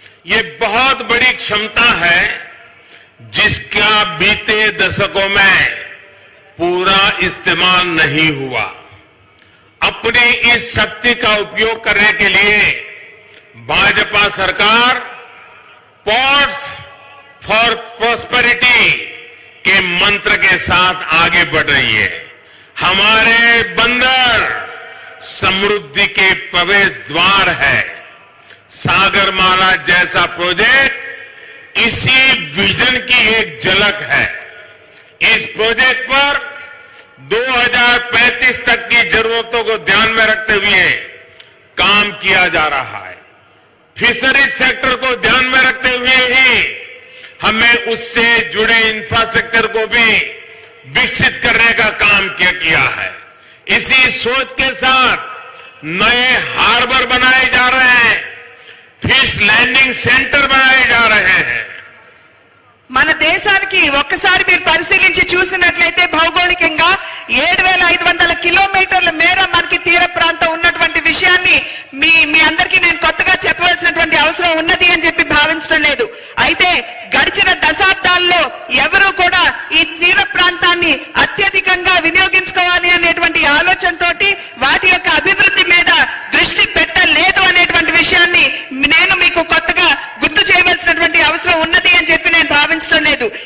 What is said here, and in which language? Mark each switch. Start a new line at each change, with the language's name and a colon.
Hindi: యే బహుత్ body Kshamata high జిస్కా బీతే దశకో మే पूरा इस्तेमाल नहीं हुआ। अपनी इस शक्ति का उपयोग करने के लिए भाजपा सरकार पॉट्स फॉर प्रॉस्पेरिटी के मंत्र के साथ आगे बढ़ रही है। हमारे बंदर समृद्धि के प्रवेश द्वार है। सागरमाला जैसा प्रोजेक्ट इसी विजन की एक झलक है। इस प्रोजेक्ट पर 2035 तक की जरूरतों को ध्यान में रखते हुए काम किया जा रहा है। फिशरीज सेक्टर को ध्यान में रखते हुए ही हमें उससे जुड़े इंफ्रास्ट्रक्चर को भी विकसित करने का काम किया है। इसी सोच के साथ नए हार्बर बनाए जा रहे हैं, फिश लैंडिंग सेंटर बनाए जा रहे हैं।
Telugu: మన దేశానికి ఒక్కసారి మీరు పరిశీలించి చూసినట్లయితే భౌగోళికంగా 7,500 కిలోమీటర్ల మేర మనకి తీర ప్రాంతం ఉన్నటువంటి విషయాన్ని మీ మీ అందరికీ నేను కొత్తగా చెప్పవలసినటువంటి అవసరం ఉన్నది అని చెప్పి భావించడం లేదు. అయితే గడిచిన దశాబ్దాల్లో ఎవరూ కూడా ఈ తీర ప్రాంతాన్ని అత్యధికంగా వినియోగించుకోవాలి అనేటువంటి ఆలోచనతో వాటి యొక్క అభివృద్ధి మీద దృష్టి పెట్టలేదు అనేటువంటి విషయాన్ని నేను మీకు కొత్తగా గుర్తు చేయవలసినటువంటి అవసరం ఉన్నది అని చెప్పి నేను భావించడం లేదు.